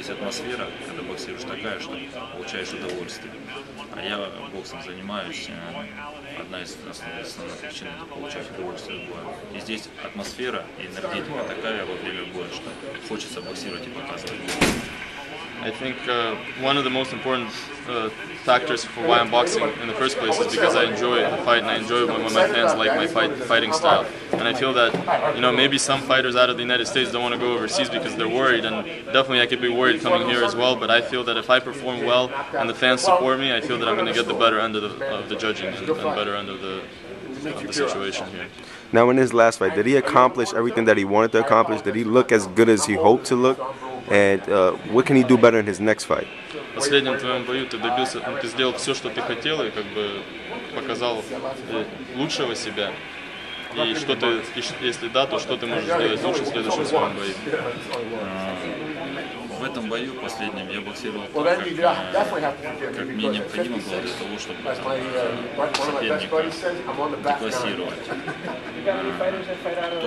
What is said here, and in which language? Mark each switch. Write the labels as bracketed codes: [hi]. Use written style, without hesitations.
[ru] Здесь атмосфера, когда боксируешь, такая, что получаешь удовольствие. А я боксом занимаюсь. Одна из основных причин – это получать удовольствие от боя. И здесь атмосфера и энергетика такая во время боя, что хочется боксировать и показывать. [en] I think one of the most important factors for why I'm boxing in the first place is because I enjoy the fight and I enjoy it when my fans like my fighting style. And I feel that, you know, maybe some fighters out of the United States don't want to go overseas because they're worried, and definitely I could be worried coming here as well, but I feel that if I perform well and the fans support me, I feel that I'm going to get the better end of the judging and better end of the situation here. Now in his last fight, did he accomplish everything that he wanted to accomplish? Did he look as good as he hoped to look? And what can he do better in his next fight? [ru] В последнем твоем бою ты добился, ты сделал все, что ты хотел, и как бы показал лучшего себя. И что ты, если да, то что ты можешь сделать лучше в следующем своем бою? В этом бою последнем я боксировал так, как мне необходимо было для того, чтобы соперника деклассировать.